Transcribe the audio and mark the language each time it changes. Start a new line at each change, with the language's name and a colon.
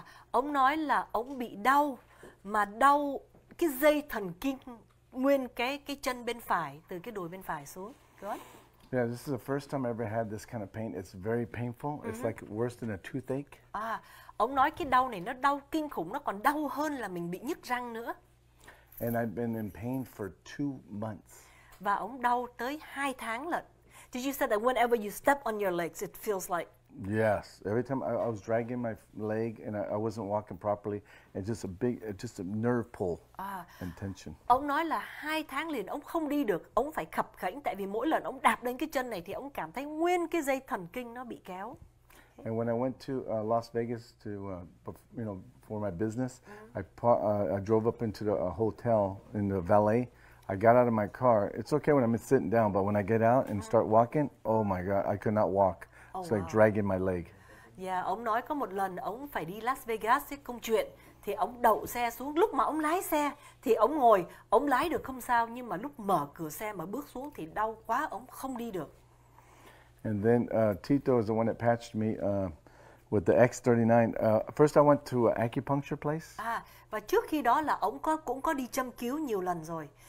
Vietnamese: Ông nói là ông bị đau, mà đau cái dây thần kinh nguyên cái chân bên phải, từ cái đùi bên phải xuống.
English: Good. Yeah, this is the first time I ever had this kind of pain. It's very painful. Mm-hmm. It's like worse than a toothache.
Vietnamese: Ông nói cái đau này nó đau kinh khủng, nó còn đau hơn là mình bị nhức răng nữa.
English: And I've been in pain for 2 months.
Vietnamese: Và ông đau tới 2 tháng lận.
English: Did you say that whenever you step on your legs, it feels like... Yes. Every time I was dragging my leg and I wasn't walking properly, it's just a big, just a nerve pull and tension. Ông nói là 2 tháng liền ông không đi được, ông phải khập khiễng, tại vì mỗi lần ông đạp lên cái chân này thì ông cảm thấy nguyên cái dây thần kinh nó bị kéo. And when I went to Las Vegas to, you know, for my business, mm-hmm. I drove up into the hotel in the valet. I got out of my car. It's okay when I'm sitting down, but when I get out and mm-hmm. start walking, oh my God, I could not walk. It's like dragging my leg.
Vietnamese: Yeah, ông nói có một lần ông phải đi Las Vegas với công chuyện. Thì ông đậu xe xuống, lúc mà ông lái xe thì ông ngồi, ông lái được không sao, nhưng mà lúc mở cửa xe mà bước xuống thì đau quá, ông không đi được.
English: And then Tito is the one that patched me with the X39. First I went to an acupuncture place.
Vietnamese: À, và trước khi đó là ông có cũng có đi châm cứu nhiều lần rồi.